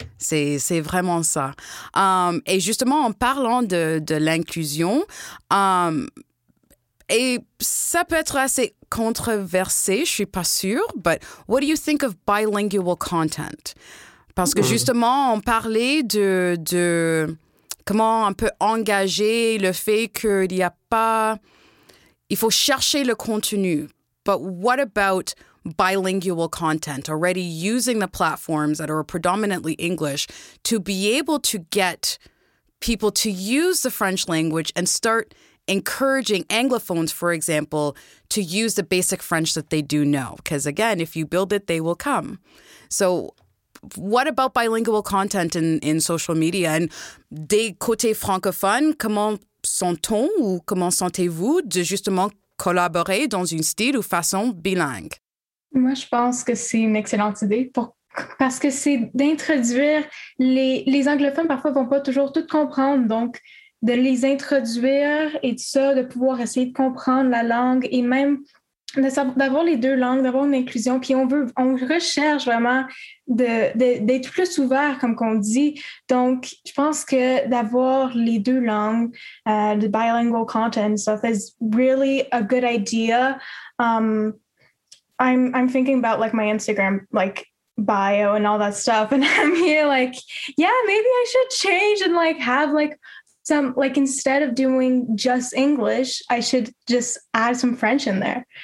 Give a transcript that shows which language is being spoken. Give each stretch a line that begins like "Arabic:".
French: C'est vraiment ça. Et justement, en parlant de l'inclusion, et ça peut être assez controversé, je ne suis pas sûre,
English: but what do you think of bilingual content?
French: Parce que justement, on parlait de comment on peut engager le fait qu'il n'y a pas... Il faut chercher le contenu.
English: But what about bilingual content, already using the platforms that are predominantly English, to be able to get people to use the French language and start encouraging Anglophones, for example, to use the basic French that they do know. Because again, if you build it, they will come. So what about bilingual content in social media?
French: And des côtés francophones, comment sent-on ou comment sentez-vous de justement collaborer dans une style ou façon bilingue? Moi, je pense que c'est une excellente idée parce que c'est d'introduire les anglophones, parfois, ne vont pas toujours tout comprendre. Donc, de les introduire et tout ça, de pouvoir essayer de comprendre la langue et même d'avoir les deux langues, d'avoir une inclusion. Puis, on recherche vraiment d'être plus ouvert, comme qu'on dit. Donc, je pense que d'avoir les deux langues, le bilingual content, ça fait
English: really a good idea. I'm thinking about like my Instagram like bio and all that stuff, and I'm here like, yeah, maybe I should change and like have like some like instead of doing just English, I should just add some French in there.